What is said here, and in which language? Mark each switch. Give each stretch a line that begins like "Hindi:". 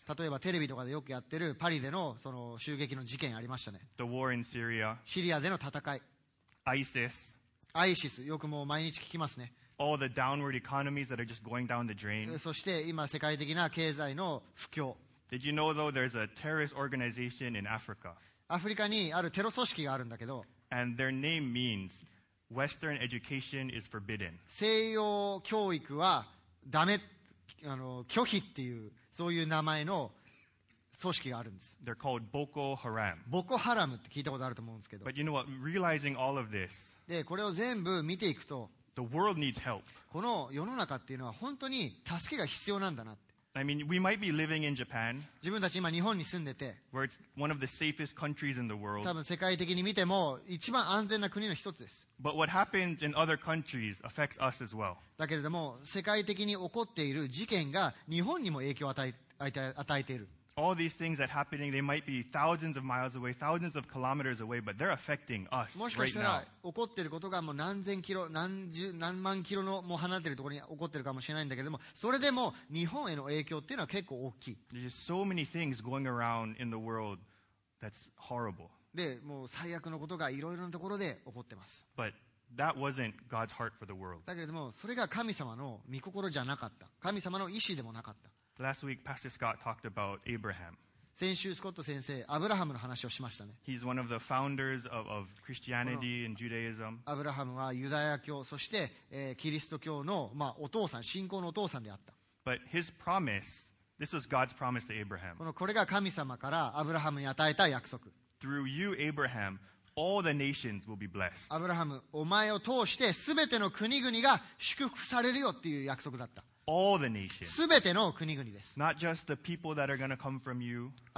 Japanese: 例えばテレビとかでよくやってるパリで その襲撃の事件ありましたね。
English: The war in Syria.
Japanese: シリアでの戦い。
English: ISIS.
Japanese: ISIS よくもう毎日聞きますね。
English: All the downward economies that are just going down the drain.
Japanese: そして今世界的な経済の不況。
English: Did you know though there's a terrorist organization in Africa?
Japanese: アフリカにあるテロ組織があるんだけど。
English: And their name means. Western education is forbidden.
Japanese: 西洋教育はダメ、拒否っていうそういう名前の組織があるんです。
English: They're called Boko Haram.
Japanese: ボコハラムって聞いたことあると思うんですけど。
English: But you know what? Realizing all of this,
Japanese: でこれを全部見ていくと、
English: the world needs help.
Japanese: この世の中っていうのは本当に助けが必要なんだなって。
English: I mean, we might be living in Japan,
Japanese: 自分たち今日本に住んでて、
English: where it's one of the safest countries in the world.
Japanese: 多分世界的に見ても一番安全な国の一つです。
English: But what happens in other countries affects us as well.
Japanese: だけれども世界的に起こっている事件が日本にも影響を与えている。
English: All these things that are happening, they might be thousands of miles away, thousands of kilometers away, but they're affecting us
Japanese: もしかしたら起こっていることがもう何千キロ、何万キロのもう離れているところに起こっているかもしれないんだけども、それでも日本への影響っていうのは結構大きい。
English: There's just so many things going around in the world that's horrible.
Japanese: で、もう最悪のことがいろいろなところで起こってます。
English: But that wasn't God's heart for the world.
Japanese: だけれども、それが神様の御心じゃなかった。神様の意思でもなかった。
English: Last week, Pastor Scott talked about Abraham.
Japanese: 先週スコット先生、アブラハムの話をしましたね。
English: He's one of the founders of Christianity and Judaism.
Japanese: アブラハムはユダヤ教そして、キリスト教の、まあ、お父さん、信仰のお父さんであった。
English: But his promise, this was God's promise to Abraham.
Japanese: これが神様からアブラハムに与えた約束。
English: Through you, Abraham, all the nations will be blessed.
Japanese: アブラハム、お前を通して全ての国々が祝福されるよっていう約束だった。
English: All the nations.
Japanese: 全ての国々です。
English: Not just the people that are gonna come from you.